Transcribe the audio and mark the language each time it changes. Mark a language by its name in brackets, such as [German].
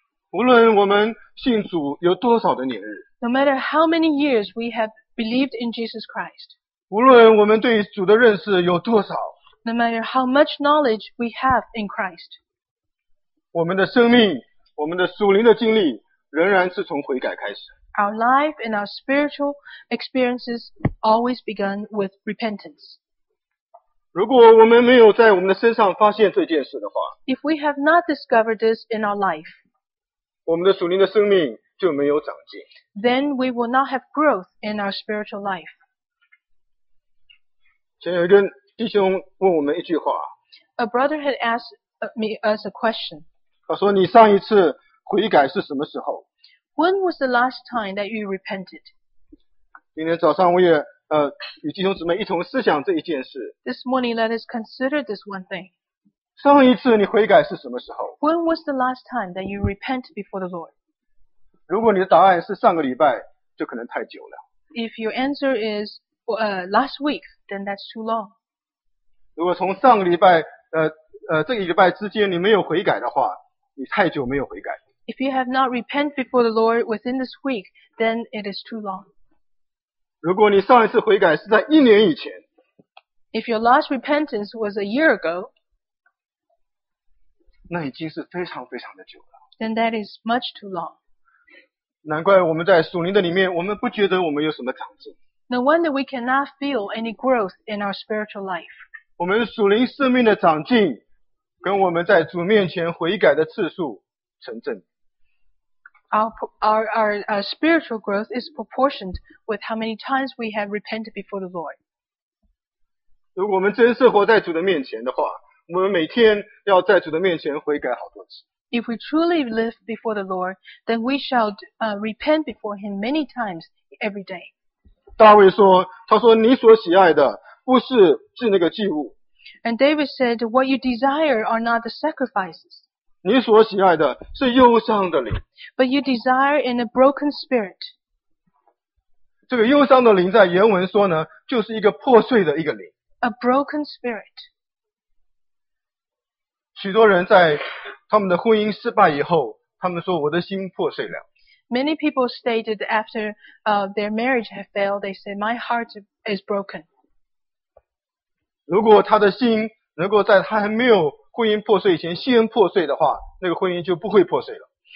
[Chinese] 无论我们信主有多少的年日， [English] No matter how many years we have believed in Jesus Christ, [Chinese] 无论我们对主的认识有多少， [English] No matter how much knowledge we have in Christ, [Chinese] 我们的生命，我们的属灵的经历仍然是从悔改开始。 [English] Our life and our spiritual experiences always begin with repentance. [Chinese] 如果我们没有在我们的身上发现这件事的话， [English] If we have not discovered this in our life, [Chinese] 我们的属灵的生命就没有长进。 [English] Then we will not have growth in our spiritual life. [Chinese] 前有一个弟兄问我们一句话。 [English] A brother had asked me as a question. [Chinese] 他说你上一次悔改是什么时候？ [English] When was the last time that you repented? [Chinese] 今天早上我也与弟兄姊妹一同思想这一件事。 [English] This morning, let us consider this one thing. [Chinese] 上一次你悔改是什么时候？ [English] When was the last time that you repent before the Lord? [Chinese] 如果你的答案是上个礼拜，就可能太久了。 [English] If your answer is last week, then that's too long. [Chinese] 如果从上个礼拜这个礼拜之间你没有悔改的话，你太久没有悔改。 [English] If you have not repented before the Lord within this week, then it is too long. [Chinese] 如果你上一次悔改是在一年以前， [English] If your last repentance was a year ago, [Chinese] 那已经是非常非常的久了。 [English] Then that is much too long. [Chinese] 难怪我们在属灵的里面，我们不觉得我们有什么长进。 [English] No wonder we cannot feel any growth in our spiritual life. [Chinese] 我们属灵生命的长进，跟我们在主面前悔改的次数成正。 [English] Our spiritual growth is proportioned with how many times we have repented before the Lord. [Chinese] 如果我们真是活在主的面前的话，我们每天要在主的面前悔改好多次。 [English] If we truly live before the Lord, then we shall repent before Him many times every day. [Chinese] 大卫说，他说你所喜爱的不是是那个祭物。 [English] And David said, what you desire are not the sacrifices. [Chinese] 你所喜爱的是忧伤的灵。 [English] But you desire in a broken spirit. [Chinese] 这个忧伤的灵在原文说呢，就是一个破碎的一个灵。 [English] A broken spirit. [Chinese] 许多人在他们的婚姻失败以后，他们说我的心破碎了。 [English] Many people stated after their marriage had failed, they said, my heart is broken. [Chinese] 如果他的心能够在他还没有婚姻破碎以前先破碎的话，那个婚姻就不会破碎了。